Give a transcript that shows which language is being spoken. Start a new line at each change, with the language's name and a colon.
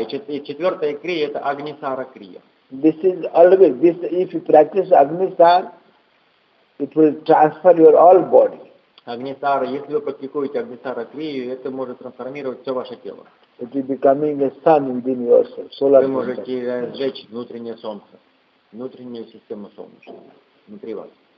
Russian: И четвертая крия — это Агнисара крия.
English: This is always, this, if you practice Агнисар, it will transfer your all body.
Russian: Агнисара, если вы практикуете Агнисара крию, это может трансформировать все ваше тело.
English: It will become a sun within yourself, solar
Russian: center. Вы можете сжечь внутреннее солнце, внутреннюю систему солнца внутри вас.